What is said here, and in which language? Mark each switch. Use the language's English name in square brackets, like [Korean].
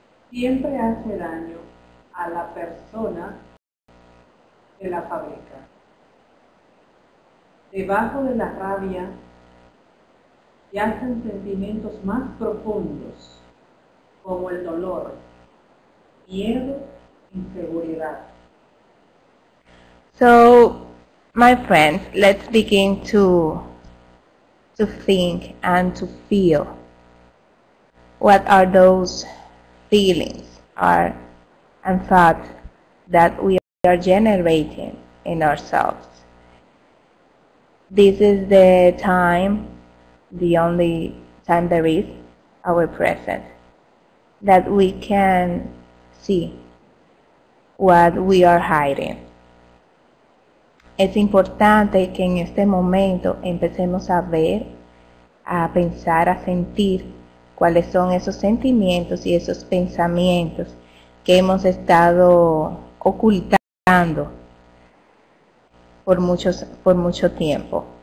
[Spanish] Siempre hace daño a la persona de la fábrica. Debajo de la rabia yacen sentimientos más profundos, como el dolor, miedo, inseguridad. [English] So, my friends, let's begin to think and to feel. What are those feelings and thoughts that we are generating in ourselves? This is the time, the only time there is, our present, that we can see what we are hiding. [Spanish] Es importante que en este momento empecemos a ver, a pensar, a sentir cuáles son esos sentimientos y esos pensamientos que hemos estado ocultando por mucho tiempo.